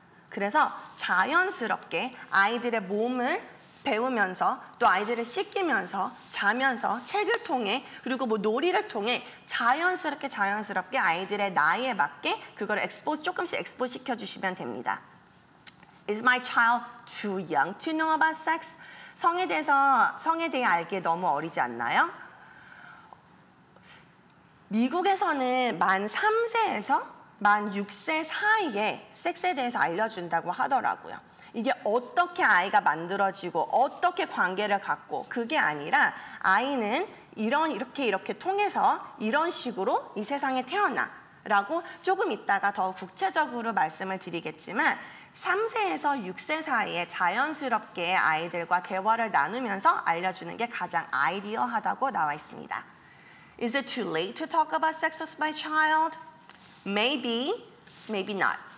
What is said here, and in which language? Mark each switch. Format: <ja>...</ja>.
<ko>그래서 자연스럽게 아이들의 몸을 배우면서 또 아이들을 씻기면서 자면서 책을 통해 그리고 뭐 놀이를 통해 자연스럽게 아이들의 나이에 맞게 그걸 expose, 조금씩 expose 시켜주시면 됩니다.</ko> <en>Is my child too young to know about sex?</en> <ko>성에 대해 알기에 너무 어리지 않나요? 미국에서는 만 3세에서 만 6세 사이에 섹스에 대해서 알려준다고 하더라고요. 이게 어떻게 아이가 만들어지고 어떻게 관계를 갖고 그게 아니라 아이는 이렇게 통해서 이런 식으로 이 세상에 태어나 라고 조금 있다가 더 구체적으로 말씀을 드리겠지만 3세에서 6세 사이에 자연스럽게 아이들과 대화를 나누면서 알려주는 게 가장 아이디어하다고 나와 있습니다.</ko> <en>Is it too late to talk about sex with my child? Maybe, maybe not.</en>